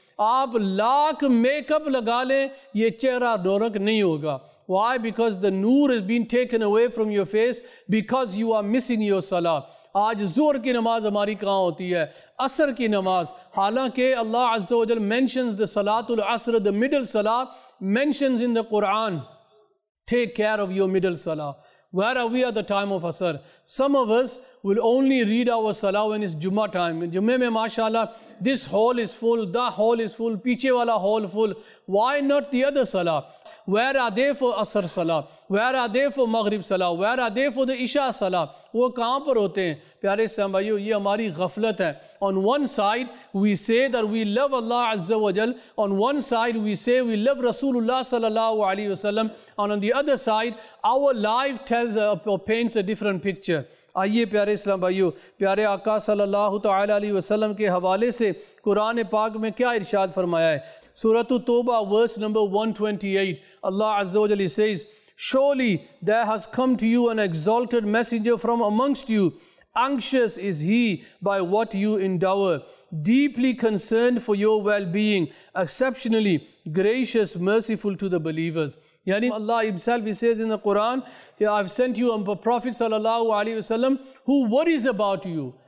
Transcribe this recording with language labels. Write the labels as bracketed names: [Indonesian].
[Urdu] آپ lakh make up لگا لیں یہ چہرہ رونق نہیں ہوگا. [English] Why? Because the noor has been taken away from your face because you are missing your salah. [Urdu] آج زہر کی نماز ہماری کہاں ہوتی ہے؟ عصر کی نماز. [English] حالانکہ اللہ عز و جل mentions the salat al-asr, the middle salah, mentions in the Quran, take care of your middle salah. Where are we at the time of asr? Some of us will only read our salah when it's Jummah time. In Jummah mein, mashallah, this hall is full, that hall is full, [Urdu] peechhe wala [English] hall full. Why not the other salah? Where are they for asr salah? Where are they for maghrib salah? Where are they for the isha salah? [Urdu] وہ کہاں پر ہوتے ہیں؟ پیارے اسلام بھائیو، یہ ہماری غفلت ہے. [English] On one side we say that we love Allah عز و جل. On one side we say we love رسول اللہ صلی اللہ علیہ وسلم. And on the other side our life tells or paints a different picture. [Urdu] آئیے پیارے اسلام بھائیو، پیارے آقا صلی اللہ تعالیٰ علیہ وسلم کے حوالے سے قرآن پاک میں کیا ارشاد فرمایا ہے؟ سورۃ التوبہ ورس نمبر 128، اللہ عز و جل [English] says, surely there has come to you an exalted messenger from amongst you. Anxious is he by what you endure, deeply concerned for your well-being, exceptionally gracious, merciful to the believers. Yani Allah himself, he says in the Quran, yeah, I've sent you a prophet sallallahu alaihi wasallam who worries about you.